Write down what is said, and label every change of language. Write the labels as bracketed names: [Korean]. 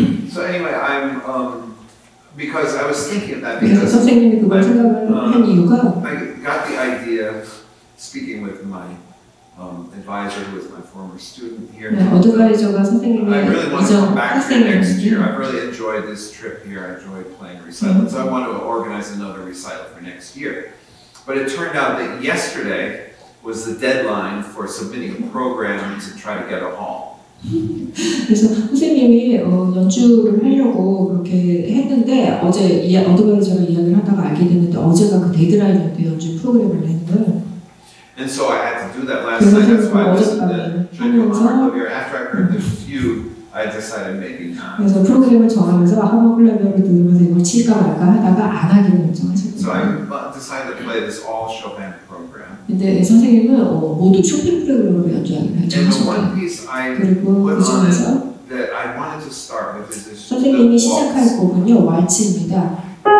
[English] So anyway, I'm because I was thinking of that. [Korean] 그래서 선생님이 그걸 생각을 한 이유가 [English] I got the idea speaking with my advisor who was my former student here. [Korean] 네, 어드바이저가 선생님이 [English] I really want to come back here next year. I really enjoyed this trip here. I enjoyed playing recital. So I want to organize another recital for next year. But it turned out that yesterday was the deadline for submitting a program to try to get a hall. [Korean] 그래서 선생님이 연주를 하려고 그렇게 했는데 어제 어드바이저가 이야기를 하다가 알게 됐는데 어제가 그 데드라인이었대 연주 프로그램을 내는 걸. [English] And so I had to do that last night. That's why I listened to the Hamo Klavier. After I heard the fugue, I decided maybe not. [Korean] 그래서 프로그램을 정하면서 Hamo Klavier를 들으면서 이걸 칠까 말까 하다가 안 하기로 결정했습니다. [English] So I decided to play this all Chopin program. [Korean] 근데 선생님은 모두 쇼팽 프로그램으로 연주하기로 결정했습니다. [English] And the one piece I put on it that I wanted to start with is this. [Korean] 선생님이 시작할 곡은요 왈츠입니다.